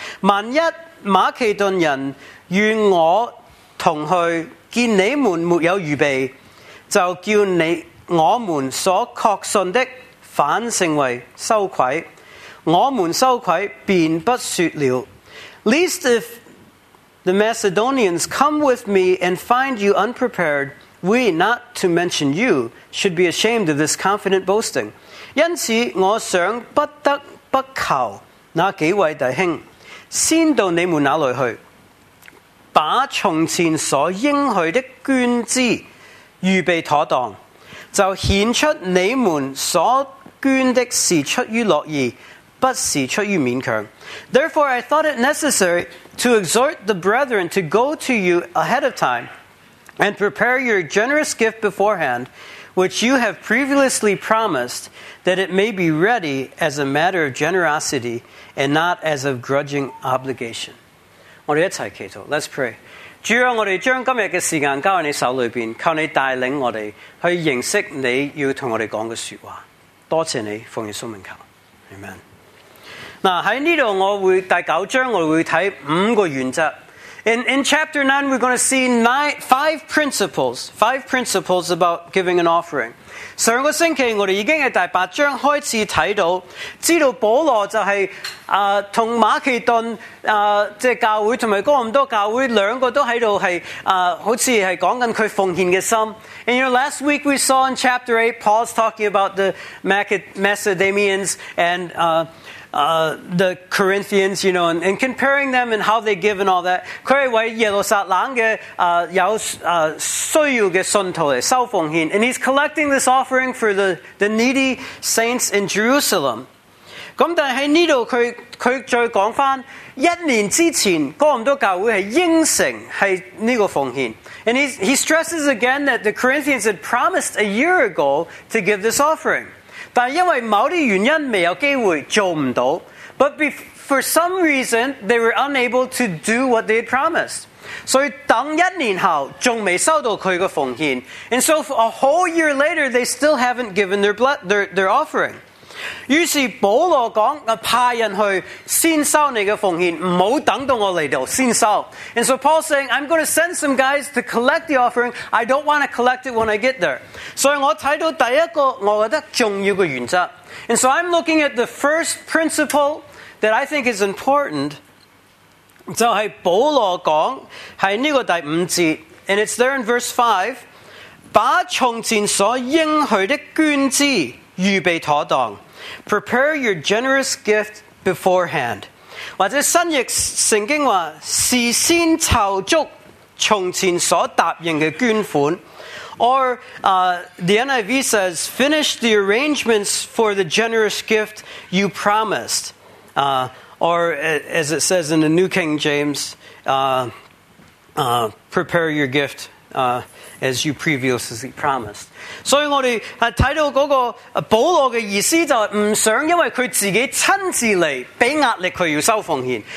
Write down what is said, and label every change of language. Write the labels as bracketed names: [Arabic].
[Chinese] 万一马其顿人与我同去，见你们没有预备，就叫你我们所确信的反成为羞愧，我们羞愧便不说了。 [English] Lest if the Macedonians come with me and find you unprepared, we, not to mention you, should be ashamed of this confident boasting. [Chinese] 因此我想不得不求那几位弟兄先到你们那里去，把从前所应许的捐资预备妥当，就显出你们所捐的是出于乐意，不是出于勉强。 [English] Therefore I thought it necessary to exhort the brethren to go to you ahead of time and prepare your generous gift beforehand, which you have previously promised, that it may be ready as a matter of generosity and not as of grudging obligation. [Chinese] 我们一起祈祷。 [English] Let's pray. [Chinese] 主啊，我们将今天的时间交在你手里边，靠你带领我们去认识你要跟我们讲的说话。多谢你，奉耶稣名求。Amen。在这里我会第九章我会看五个原则。 [English] In chapter 9 we're going to see five principles about giving an offering. [Chinese] 上个星期我们已经在第八章开始看到，知道保罗就是跟马其顿教会和哥林多教会两个都在这里好像是讲他奉献的心。 [English] In your last week we saw in chapter 8 Paul's talking about the Macedonians andthe Corinthians, you know, and comparing them and how they give and all that. [Chinese] 他是为耶路撒冷的有需要的信徒来收奉献。 [English] And he's collecting this offering for the needy saints in Jerusalem. [Chinese] 但是在这里 他再讲回一年之前哥林多教会是应承是这个奉献。 [English] And he stresses again that the Corinthians had promised a year ago to give this offering. [Chinese] 但因为某些原因没有机会做不到。 [English] But for some reason they were unable to do what they had promised. [Chinese] 所以等一年后还没收到他的奉献。 [English] And so a whole year later they still haven't given their offering. [Chinese] 于是保罗讲派人去先收你的奉献，不要等到我来到先收。 [English] And so Paul's saying, I'm going to send some guys to collect the offering. I don't want to collect it when I get there. [Chinese] 所以我看到第一个我觉得重要的原则。 [English] And so I'm looking at the first principle that I think is important, [Chinese] 就是保罗讲在这个第五节。 [English] And it's there in verse 5, [Chinese] 把从前所应许的捐资预备妥当。 [English] Prepare your generous gift beforehand. [Chinese] 或者新译圣经说，事先筹足从前所答应的捐款。 [English] Or the NIV says, finish the arrangements for the generous gift you promised. Or as it says in the New King James, prepare your gift as you previously promised. [Chinese] 所以我们看到那个保罗的意思就是不想因为他自己亲自来给压力他要收奉献。